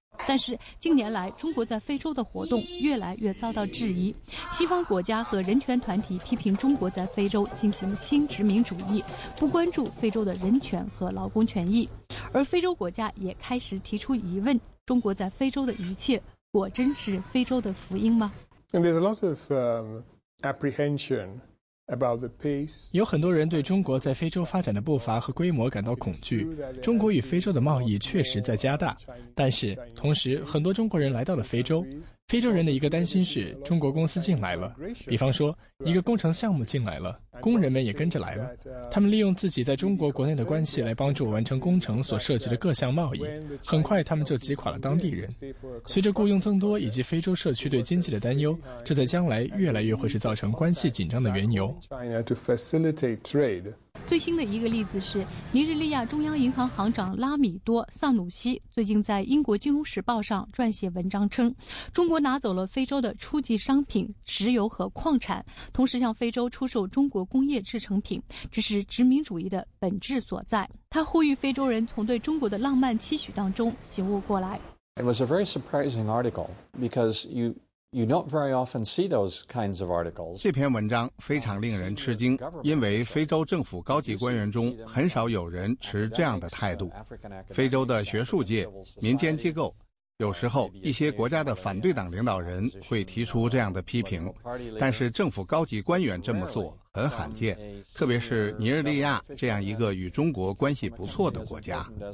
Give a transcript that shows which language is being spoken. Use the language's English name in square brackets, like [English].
[Chinese] 但是近年来，中国在非洲的活动越来越遭到质疑。西方国家和人权团体批评中国在非洲进行新殖民主义，不关注非洲的人权和劳工权益。而非洲国家也开始提出疑问：中国在非洲的一切，果真是非洲的福音吗？ [English] There's a lot of apprehension about the pace. [Chinese] 有很多人对中国在非洲发展的步伐和规模感到恐惧。中国与非洲的贸易确实在加大，但是同时很多中国人来到了非洲。非洲人的一个担心是中国公司进来了，比方说一个工程项目进来了，工人们也跟着来了，他们利用自己在中国国内的关系来帮助完成工程所涉及的各项贸易，很快他们就挤垮了当地人。随着雇佣增多以及非洲社区对经济的担忧，这在将来越来越会是造成关系紧张的缘由。最新的一个例子是，尼日利亚中央银行行长拉米多·萨努西最近在英国《金融时报》上撰写文章称，中国拿走了非洲的初级商品石油和矿产，同时向非洲出售中国工业制成品，这是殖民主义的本质所在。他呼吁非洲人从对中国的浪漫期许当中醒悟过来。 [English] It was a very surprising article because you don't very often see those kinds of articles. [Chinese] 这篇文章非常令人吃惊，因为非洲政府高级官员中很少有人持这样的态度。非洲的学术界、民间机构，有时候一些国家的反对党领导人会提出这样的批评，但是政府高级官员这么做很罕见，特别是尼日利亚这样一个与中国关系不错的国家。